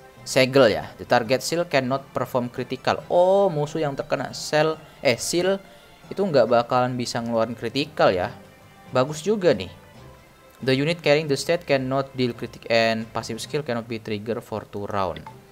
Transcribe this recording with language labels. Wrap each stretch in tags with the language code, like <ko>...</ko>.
<id>Segel ya,</id> <en>the target seal cannot perform critical.</en> <id>Oh, musuh yang terkena seal itu nggak bakalan bisa ngeluarin critical ya. Bagus juga nih.</id> <en>The unit carrying the stat cannot deal critic and passive skill cannot be triggered for 2 rounds.</en>